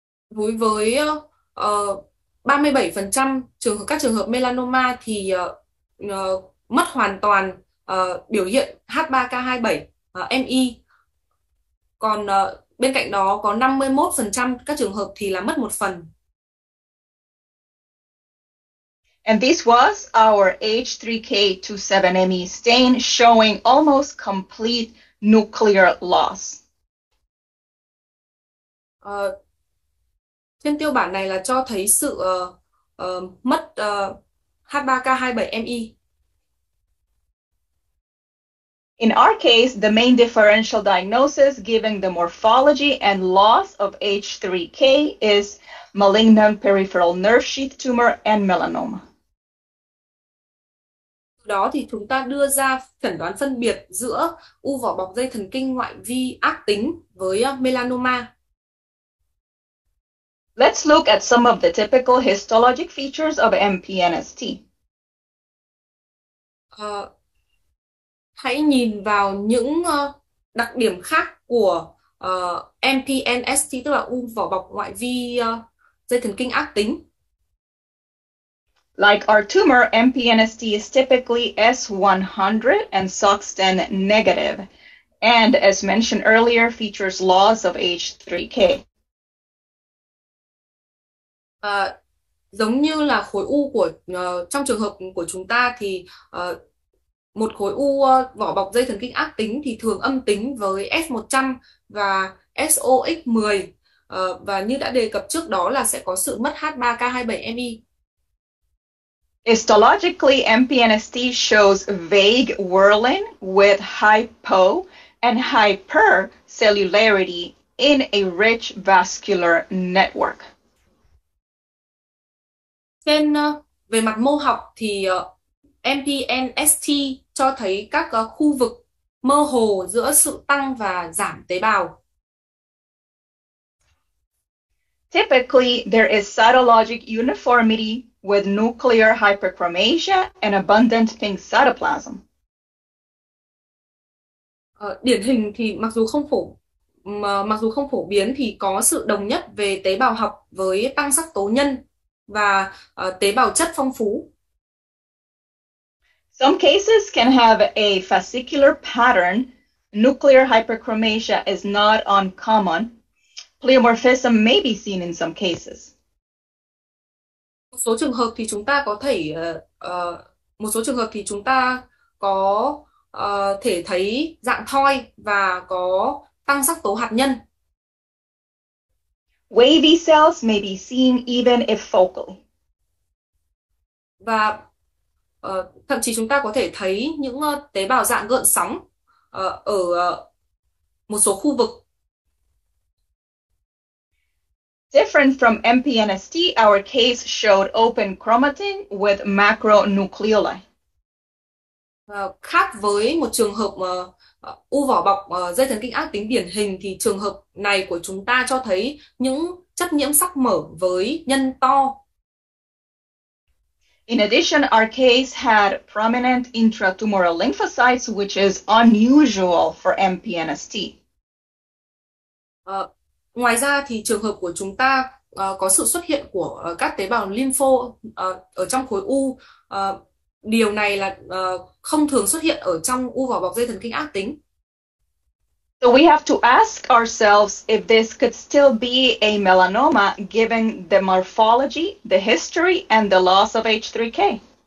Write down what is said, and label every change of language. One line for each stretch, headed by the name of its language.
Vietnamese: Với 37% các trường hợp melanoma thì mất hoàn toàn biểu hiện H3K27 MI. Còn bên cạnh đó có 51% các trường hợp thì là mất một phần.
English: And this was our H3K27ME stain showing almost complete nuclear loss.
Vietnamese: Trên tiêu bản này là cho thấy sự mất H3K27ME.
English: In our case, the main differential diagnosis given the morphology and loss of H3K is malignant peripheral nerve sheath tumor and melanoma.
Vietnamese: Đó thì chúng ta đưa ra chẩn đoán phân biệt giữa u vỏ bọc dây thần kinh ngoại vi ác tính với melanoma.
English: Let's look at some of the typical histologic features of MPNST.
Vietnamese: Hãy nhìn vào những đặc điểm khác của MPNST, tức là u vỏ bọc ngoại vi dây thần kinh ác tính.
English: Like our tumor, MPNST is typically S100 and SOX10 negative, and as mentioned earlier, features loss of H3K.
Vietnamese: Giống như là khối u của trong trường hợp của chúng ta thì một khối u vỏ bọc dây thần kinh ác tính thì thường âm tính với S100 và SOX10 và như đã đề cập trước đó là sẽ có sự mất H3K27ME.
English: Histologically, MPNST shows vague whorling with hypo and hypercellularity in a rich vascular network.
Vietnamese: Trên về mặt mô học thì MPNST cho thấy các khu vực mơ hồ giữa sự tăng và giảm tế bào.
English: Typically, there is cytologic uniformity with nuclear hyperchromasia and abundant pink cytoplasm.
Vietnamese: Điển hình thì mặc dù không phổ biến thì có sự đồng nhất về tế bào học với tăng sắc tố nhân và tế bào chất phong phú.
English: Some cases can have a fascicular pattern Nuclear hyperchromasia is not uncommon. Pleomorphism may be seen in some cases.
Vietnamese: Số trường hợp thì chúng ta có thể một số trường hợp thì chúng ta có thể thấy dạng thoi và có tăng sắc tố hạt nhân.
English: Wavy cells may be seen even if focal.
Vietnamese: Và thậm chí chúng ta có thể thấy những tế bào dạng gợn sóng ở một số khu vực.
English: Different from MPNST, our case showed open chromatin with macronuclei.
Vietnamese: Khác với một trường hợp u vỏ bọc dây thần kinh ác tính điển hình thì trường hợp này của chúng ta cho thấy những chất nhiễm sắc mở với nhân to.
English: In addition, our case had prominent intratumoral lymphocytes, which is unusual for MPNST.
Vietnamese: Ngoài ra thì trường hợp của chúng ta có sự xuất hiện của các tế bào lympho ở trong khối u. Điều này là không thường xuất hiện ở trong u vỏ bọc dây thần kinh ác tính.
English: So we have to ask ourselves if this could still be a melanoma given the morphology, the history, and the loss of H3K.